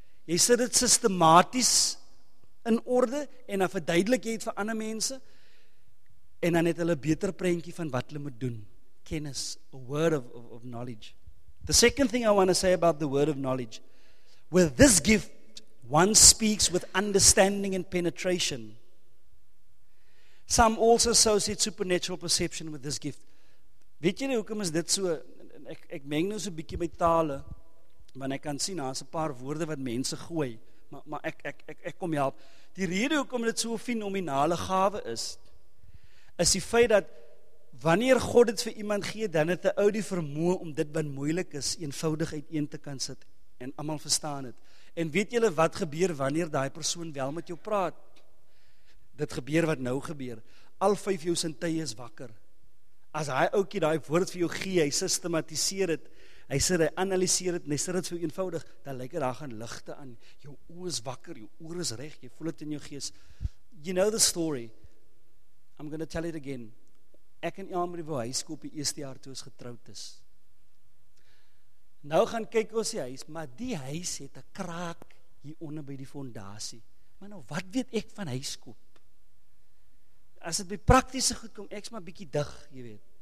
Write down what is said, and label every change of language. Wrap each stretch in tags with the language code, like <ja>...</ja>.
<af>Jy sit dit sistematies in orde en dan verduidelik jy dit vir ander mense en dan het hulle 'n beter prentjie van wat hulle moet doen. Kennis,</af> <en>a word of knowledge. The second thing I want to say about the word of knowledge, with this gift, one speaks with understanding and penetration. Some also associate supernatural perception with this gift.</en> <af>Weet julle hoekom is dit so? Ek meng nou so 'n bietjie met tale, want ek kan sien daar's 'n paar woorde wat mense gooi, maar ek kom help. Die rede hoekom dit so 'n fenominale gawe is die feit dat wanneer God dit vir iemand gee, dan het 'n ou die vermoë om dit wat moeilik is eenvoudig uiteen te kan sit en almal verstaan dit. En weet julle wat gebeur wanneer daai persoon wel met jou praat? Dit gebeur wat nou gebeur. Al 5 jou sintuie is wakker. As hy ookie daai woord vir jou gee, hy sistematiseer dit, hy sê hy analiseer dit, net sê dit so eenvoudig, dan lyk dit daar gaan ligte aan. Jou oë is wakker, jou oor is reg, jy voel dit in jou gees.</af> <en>You know the story. I'm going to tell it again.</en> <af>Ek en Elmarie wou huis koop die eerste jaar toe ons getroud is. Nou gaan kyk ons die huis, maar die huis het 'n kraak hier onder by die fondasie. Maar nou wat weet ek van huis koop? As dit by praktiese goed kom, ek's maar bietjie dig, jy weet.</af>